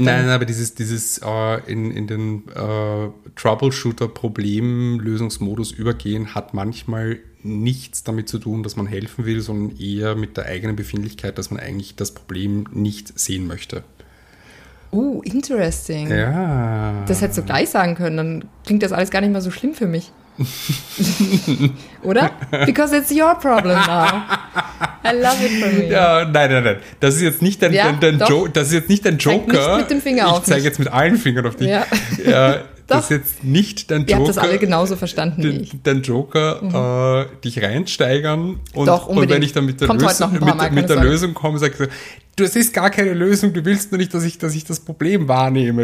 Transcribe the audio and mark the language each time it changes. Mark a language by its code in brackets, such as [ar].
[de] nein, aber dieses in den Troubleshooter-Problemlösungsmodus übergehen hat manchmal nichts damit zu tun, dass man helfen will, sondern eher mit der eigenen Befindlichkeit, dass man eigentlich das Problem nicht sehen möchte. [en] Oh, interesting. [de] Ja. Das hättest du gleich sagen können, dann klingt das alles gar nicht mehr so schlimm für mich. Oder? [en] Because it's your problem now. I love it for me. [de] Ja, nein. Das ist jetzt nicht dein Joker. Nicht mit dem Finger auf mich. Ich zeige jetzt mit allen Fingern auf dich. Ja. Ja, das ist jetzt nicht dein Joker. Ihr habt das alle genauso verstanden wie ich. Dein Joker, dich reinsteigern. Und, doch, unbedingt. Und wenn ich dann mit der Lösung komme, sage ich so, das ist gar keine Lösung, du willst nur nicht, dass ich das Problem wahrnehme.